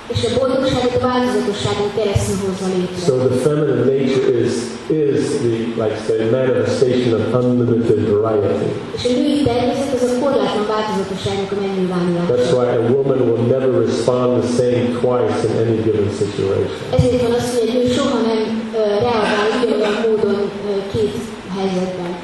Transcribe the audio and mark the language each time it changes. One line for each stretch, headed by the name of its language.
Hungarian: És a boldogságot a változatosságon keresztül hozva létre.
English: So the feminine nature is the, like say, manifestation of unlimited variety.
Hungarian: És a női természet az a korlátlan változatosságnak a megnyilvánulása.
English: That's why a woman will never respond the same twice in any given situation.
Hungarian: Ezért van az, hogy egy nő soha nem reagál ugyanolyan módon két helyzetben.